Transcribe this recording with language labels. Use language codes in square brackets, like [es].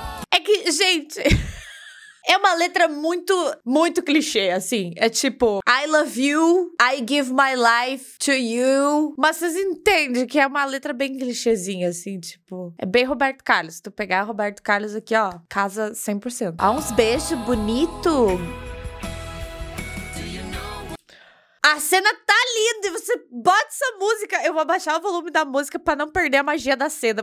[pt] É que, gente... É uma letra muito, muito clichê, assim. [en] É tipo, I love you, I give my life to you. [pt] Mas vocês entendem que é uma letra bem clichêzinha, assim, tipo... É bem Roberto Carlos. Tu pegar Roberto Carlos aqui, ó, casa 100%. Ó, uns beijos bonitos. A cena tá linda e você bota essa música. Eu vou abaixar o volume da música pra não perder a magia da cena.